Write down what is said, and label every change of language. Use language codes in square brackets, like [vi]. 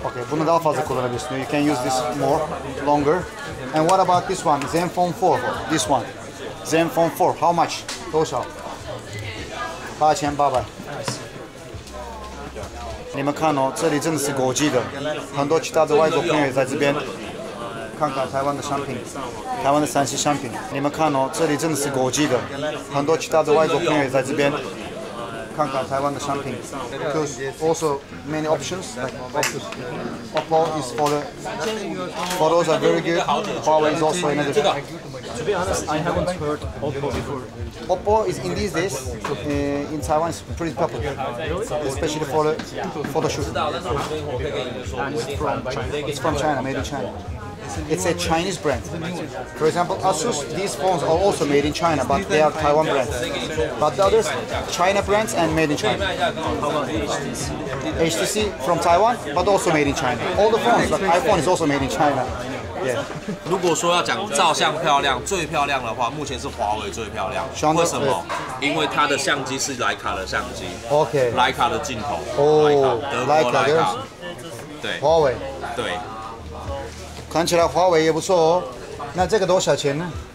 [en] Okay, 不能到 fast cooler this. You can use this more, longer. And what about this one? Zenfone 4. This one. Zenfone 4. How much? 多少？ 8,800。 [zh] 你们看哦，这里真的是国际的，很多其他的外国朋友在这边。看看台湾的商品，台湾的三 C 商品，你们看哦，这里真的是国际的，很多其他的外国朋友在这边。 [en] 看看台湾的商品，because also many options like Oppo is for the photos are very good. Huawei is also another. To be honest, I haven't heard Oppo before. Oppo is in these days in Taiwan is pretty popular, especially for the photo shoot. It's from China, made in China. It's a Chinese brand. For example, Asus, these phones are also made in China, but they are Taiwan brands. But the others, China brands and made in China. HTC from Taiwan, but also made in China. All the phones, like iPhone is also made in China. Yeah. [zh] 如果说要讲照相漂亮，最漂亮的话，目前是华为最漂亮。为什么？因为它的相机是徕卡的相机。 OK。徕卡的镜头。哦。德国徕卡。对，华为，对，看起来华为也不错哦。那这个多少钱呢？